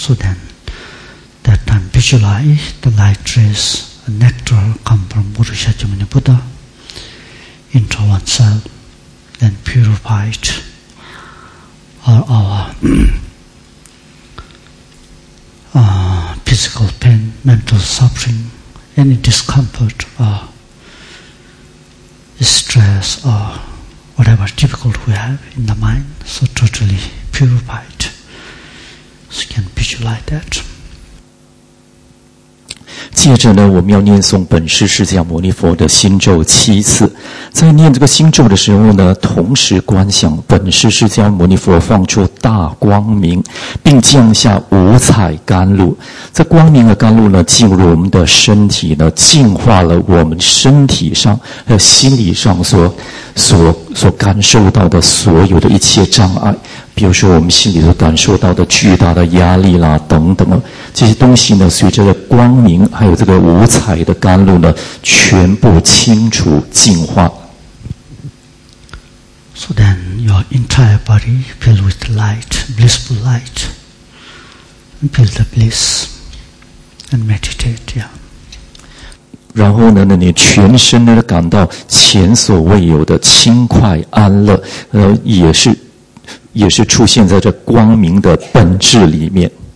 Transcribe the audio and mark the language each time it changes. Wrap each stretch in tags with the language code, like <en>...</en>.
<en>So then, that time visualize the light rays and nectar come from Guru Shakyamuni Buddha into oneself, then purify it, our physical pain, mental suffering, any discomfort, or stress, orWhatever difficult we have in the mind, so totally purified. So you can visualize that.</en> <zh>接着呢，我们要念诵本师释迦牟尼佛的心咒7次。在念这个心咒的时候呢，同时观想本师释迦牟尼佛放出大光明，并降下五彩甘露。这光明的甘露呢，进入我们的身体呢，净化了我们身体上和心理上所感受到的所有的一切障碍，比如说我们心里所感受到的巨大的压力啦等等，这些东西呢，随着的光明还有这个五彩的甘露呢，全部清除净化。</zh> <en>So then your entire body filled with light, blissful light, and feel the bliss and meditate, yeah.</en> <zh>然后呢，你全身呢感到前所未有的轻快安乐，也是出现在这光明的本质里面。</zh>